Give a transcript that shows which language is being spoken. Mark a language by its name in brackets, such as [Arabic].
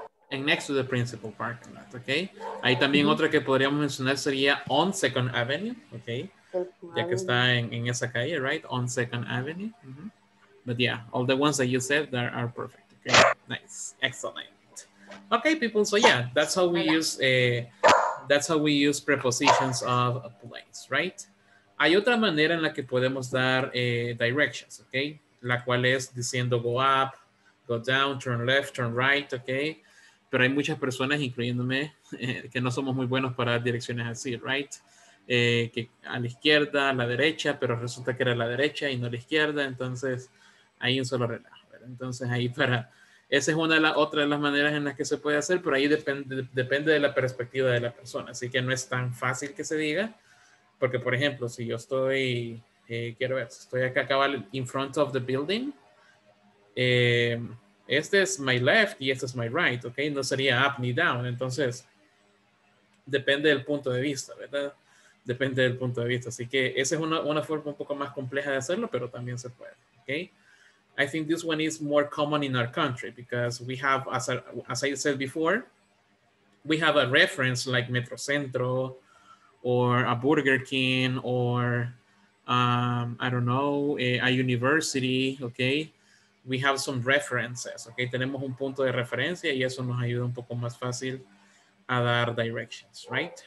[English] And next to the principal parking lot, okay? [Spanish] Ahí también otra que podríamos mencionar sería [English] on Second Avenue, [Spanish] okay? Ya que está en esa calle, right? [English] On Second Avenue. But yeah, all the ones that you said there are perfect, okay? Nice, excellent. Okay, people, so yeah, that's how we use prepositions of a place, right? [Spanish] Hay otra manera en la que podemos dar directions, okay? La cual es diciendo [English] go up, go down, turn left, turn right, okay? [Spanish] Pero hay muchas personas, incluyéndome, que no somos muy buenos para dar direcciones así, right? Que a la izquierda, a la derecha, pero resulta que era la derecha y no la izquierda, entonces hay un solo relajo, ¿verdad? Entonces ahí para, esa es una de las otras de las maneras en las que se puede hacer, pero ahí depende de la perspectiva de la persona, así que no es tan fácil que se diga, porque por ejemplo, si yo estoy, quiero ver, si estoy acá, acaba [English] in front of the building, [Spanish] este es [English] my left [Spanish] y este es [English] my right, [Spanish] ok, no sería up ni down, entonces depende del punto de vista, ¿verdad? Depende del punto de vista. Así que esa es una forma un poco más compleja de hacerlo, pero también se puede. [English] Okay? I think this one is more common in our country because we have, as I said before, we have a reference like Metrocentro or a Burger King or, I don't know, a university. Okay? We have some references. Okay? [Spanish] Tenemos un punto de referencia y eso nos ayuda un poco más fácil a dar directions, right?